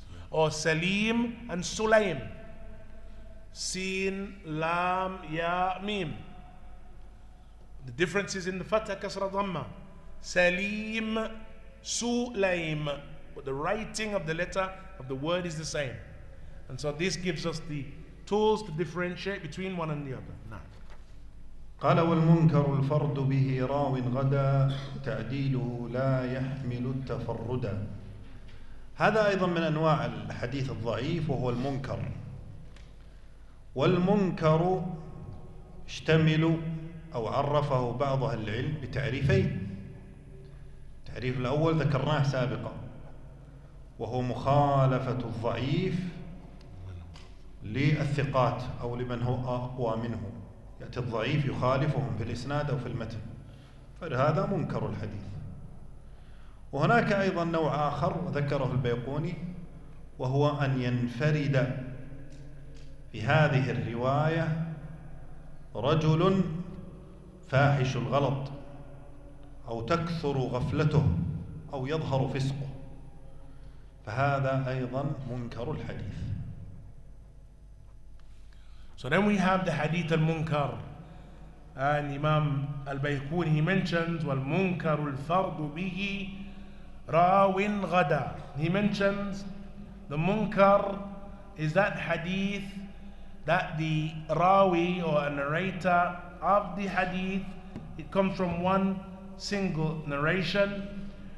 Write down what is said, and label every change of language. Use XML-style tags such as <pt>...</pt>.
<en>Or Salim and Sulaim. Sin, Lam, Ya, Mim. The difference is in the Fatah, Kasra, Dhamma. Salim, Sulaim. But the writing of the letter of the word is the same. And so this gives us the tools to differentiate between one and the other. Now.</en> <ar>قال والمنكر الفرد به راو غدا تعديله لا يحمل التفردا. هذا أيضا من أنواع الحديث الضعيف وهو المنكر. والمنكر اشتمل أو عرفه بعض أهل العلم بتعريفين. التعريف الأول ذكرناه سابقا وهو مخالفة الضعيف للثقات أو لمن هو أقوى منه. يأتي الضعيف يخالفهم في الإسناد أو في المتن، فلهذا منكر الحديث. وهناك أيضا نوع آخر ذكره البيقوني، وهو أن ينفرد في هذه الرواية رجل فاحش الغلط أو تكثر غفلته أو يظهر فسقه، فهذا أيضا منكر الحديث.</ar> <en>So then we have the hadith al-munkar. And Imam al-Baykuni, he mentions,</en> <ar>وَالْمُنْكَرُ</ar> <en>well,</en> <ar>الْفَرْضُ بِهِ رَاوٍ غَدَى.</ar> <en>He mentions, the munkar is that hadith that the rawi or a narrator of the hadith, it comes from one single narration.</en>